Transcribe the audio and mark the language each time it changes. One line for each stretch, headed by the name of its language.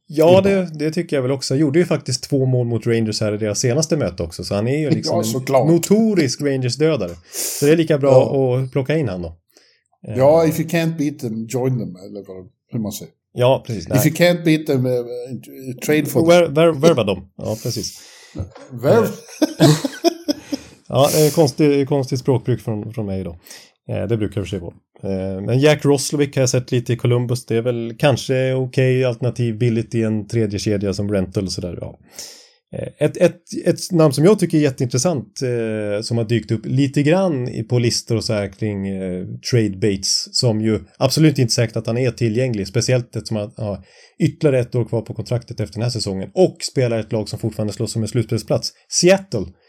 Swedish: Ja, det tycker jag väl också. Han gjorde ju faktiskt 2 mål mot Rangers här i deras senaste möte också. Så han är ju liksom en notorisk Rangers-dödare. Så det är lika bra att plocka in han då. Ja,
English: if you can't beat them, join them.
Swedish: Eller vad man säger. Ja, precis.
English: If you can't beat them, trade for them.
Swedish: Värva dem. Ja, precis. Värv. Ja, konstigt språkbruk från mig då. Det brukar jag för sig vara. Men Jack Roslovic har jag sett lite i Columbus. Det är väl kanske okej alternativ, billigt i en tredje kedja som rental och sådär. Ja. Ett namn som jag tycker är jätteintressant, som har dykt upp lite grann på listor och så här kring trade baits, som ju absolut inte säkert att han är tillgänglig, speciellt eftersom han har ytterligare 1 år kvar på kontraktet efter den här säsongen och spelar ett lag som fortfarande slåss om en slutspelsplats, Seattle.